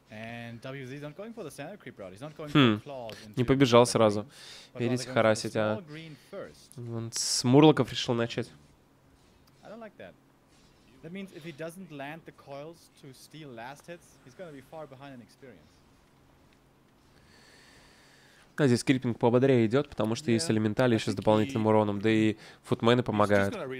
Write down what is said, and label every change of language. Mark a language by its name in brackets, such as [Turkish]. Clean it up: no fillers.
[English] And WZ is not going for the standard creep route. He's not going for claws. [Russian] Не побежал сразу. Верить харасить, а он с мурлоков решил начать. [English] I don't like that. That means if he doesn't land the coils to steal last hits, he's going to be far behind in experience. [Russian] Да, здесь крипинг пободрее идет, потому что есть элементали еще с дополнительным уроном, да и футмены помогают.